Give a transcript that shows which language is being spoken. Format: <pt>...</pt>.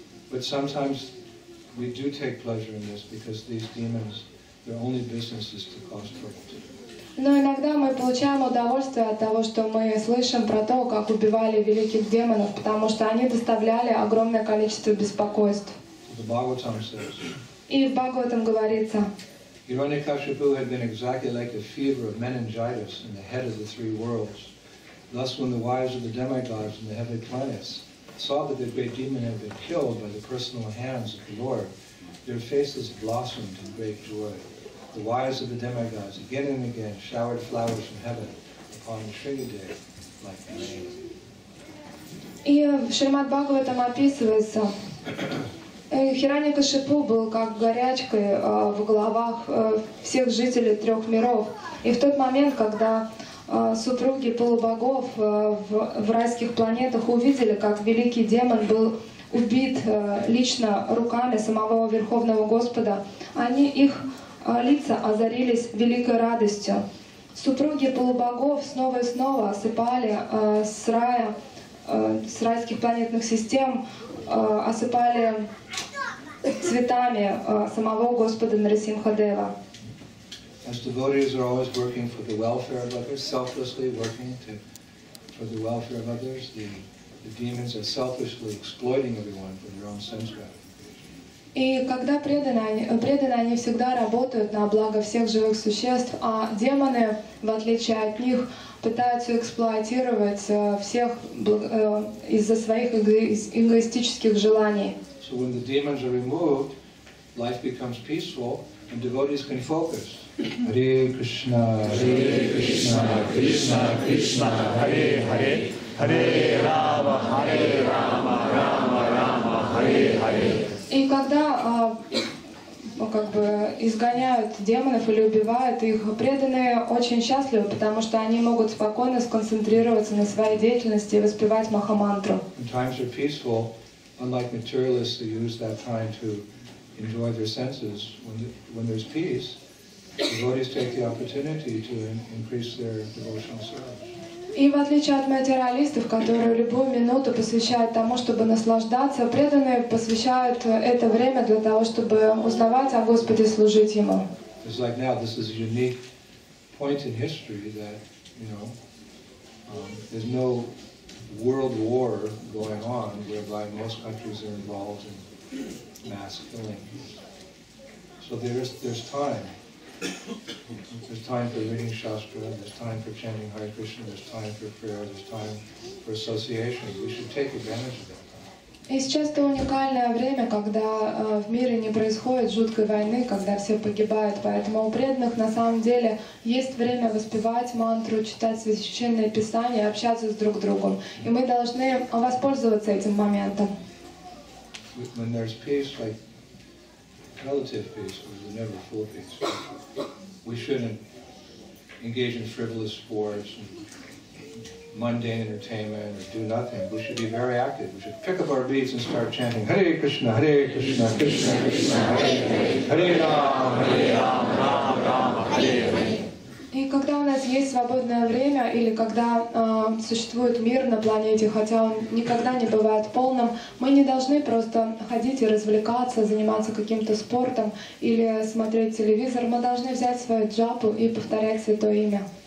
<en>But sometimes we do take pleasure in this because these demons, their only business is to cause trouble.</en> <ru>Но иногда мы получаем удовольствие от того, что мы слышим про то, как убивали великих демонов, потому что они доставляли огромное количество беспокойств.</ru> <en>The Bhagavatam says.</en> <ru>И в Бхагаватам говорится.</ru> <en>Hiranyakashipu had been exactly like a fever of meningitis in the head of the three worlds. Thus, when the wives of the demigods and the heavenly planets saw that the great demon had been killed by the personal hands of the Lord, their faces blossomed in great joy. The wives of the demigods again and again showered flowers from heaven upon the Sringa day like rain.</en> <ru>И в Шримад Бхагаватам описывается. Хиранья-Кашипу был как горячкой в головах всех жителей трех миров. И в тот момент, когда супруги полубогов в райских планетах увидели, как великий демон был убит лично руками самого Верховного Господа. Они, их лица озарились великой радостью. Супруги полубогов снова и снова осыпали с рая, с райских планетных систем, осыпали цветами самого Господа Нарасимхадева.</ru> <en>As devotees are always working for the welfare of others, selflessly working to, for the welfare of others, the demons are selfishly exploiting everyone for their own sins.</en> <ru>И когда преданные, они всегда работают на благо всех живых существ, а демоны, в отличие от них, пытаются эксплуатировать всех из-за своих эгоистических желаний.</ru> <en>So when the demons are removed, life becomes peaceful and devotees can focus.</en> <sa>Hare Krishna, Hare Krishna, Krishna Krishna, Hare Hare, Hare Rama, Hare Rama, Rama Rama, Hare Hare.</sa> <ru>И когда как бы изгоняют демонов или убивают их, преданные очень счастливы, потому что они могут спокойно сконцентрироваться на своей деятельности и воспевать Махамантру.</ru> <en>When times are peaceful, unlike materialists who use that time to enjoy their senses, when there's peace, devotees take the opportunity to increase their devotional service.</en> <ru>И в отличие от материалистов, которые любую минуту посвящают тому, чтобы наслаждаться, преданные посвящают это время для того, чтобы узнавать о Господе, служить Ему.</ru> <en>It's like now, this is a unique point in history that, you know, there's no world war going on whereby most countries are involved in mass killings. So there's time. There's time for reading Shastra, there's time for chanting Hare Krishna, there's time for prayer, there's time for association. We should take advantage of that time.</en> <ru>И сейчас то уникальное время, когда в мире не происходит жуткой войны, когда все погибают. Поэтому у преданных на самом деле есть время воспевать мантру, читать священные писания, общаться с друг другом. И мы должны воспользоваться этим моментом.</ru> <en>When there's peace, like relative peace, we're never full peace. We shouldn't engage in frivolous sports, and mundane entertainment, or do nothing. We should be very active. We should pick up our beads and start chanting,</en> <sa>Hare Krishna, Hare Krishna, Krishna Krishna, Krishna, Krishna, Krishna, Krishna, Krishna, Krishna, Krishna Hare, Hare, Hare Rama, Hare Rama, Rama Rama, Hare Hare.</sa> <ru>И когда у нас есть свободное время, или когда существует мир на планете, хотя он никогда не бывает полным, мы не должны просто ходить и развлекаться, заниматься каким-то спортом или смотреть телевизор. Мы должны взять свою джапу и повторять Святое Имя.</ru>